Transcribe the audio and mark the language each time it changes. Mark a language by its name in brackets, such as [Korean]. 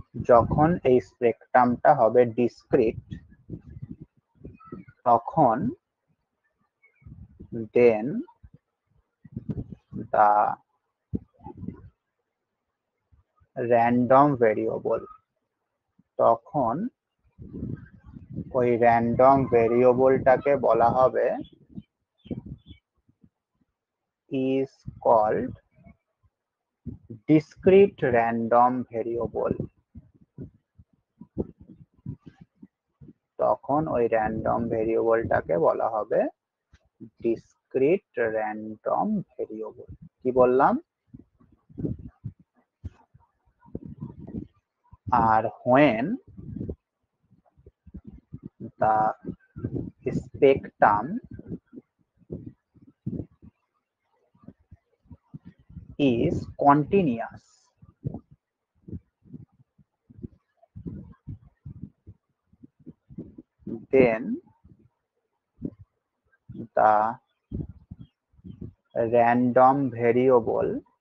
[Bangla] যখন এই স্পেকট্রামটা হবে ডিসক্রিট তখন, [English] then the random variable, [Bangla] তখন ওই র্যান্ডম ভেরিয়েবলটাকে বলা হবে [English] is called discrete random variable. [Bangla] তখন ওই random ভেরিয়েবলটাকে বলা হবে discrete random variable. কি বললাম? আর [English] when the spectrum is continuous, then the random variable